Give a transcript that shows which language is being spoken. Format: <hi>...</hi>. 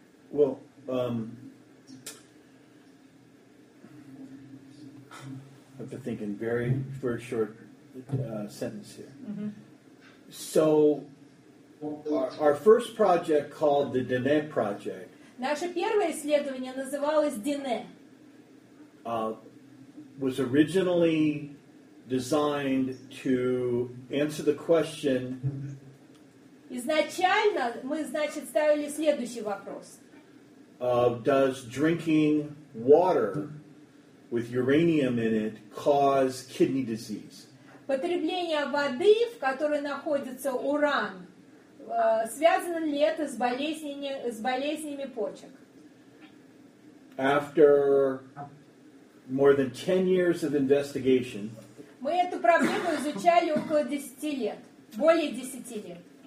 <en>Well, I've been thinking very short sentence here. Mm-hmm. So, our first project called the Dine Project.</en> <ru>Наше первое исследование называлось Dine.</ru> <en>Was originally designed to answer the question.</en> <ru>Изначально мы, значит, ставили следующий вопрос.</ru> <en>Does drinking water with uranium in it cause kidney disease?</en> <ru>Потребление воды, в которой находится уран, связано ли это с болезнями почек?</ru> <en>After more than 10 years of investigation,</en> <ru>мы эту проблему изучали около 10 лет, более 10 лет.</ru>